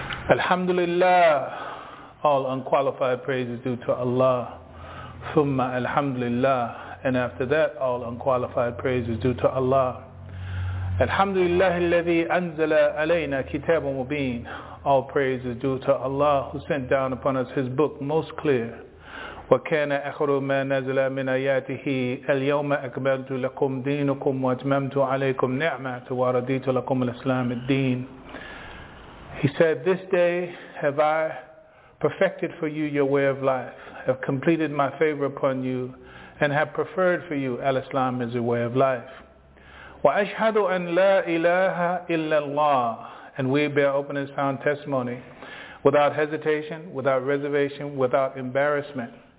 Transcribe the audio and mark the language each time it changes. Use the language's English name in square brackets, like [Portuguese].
[English] Alhamdulillah, all unqualified praise is due to Allah. [Arabic] Thumma alhamdulillah, [English] and after that, all unqualified praise is due to Allah. [Arabic] Alhamdulillah, alladhi anzala alayna kitab mubin. [English] All praise is due to Allah, who sent down upon us His book most clear. [Arabic] وكان آخر ما نزل من آياته اليوم أكملت لكم دينكم وأتممت عليكم نعمتي ورضيت لكم الإسلام الدين. [English] He said, "This day have I perfected for you your way of life, have completed my favor upon you, and have preferred for you al-Islam as a way of life." [Arabic] وأشهد أن لا إله إلا الله. [English] And we bear open and sound testimony without hesitation, without reservation, without embarrassment.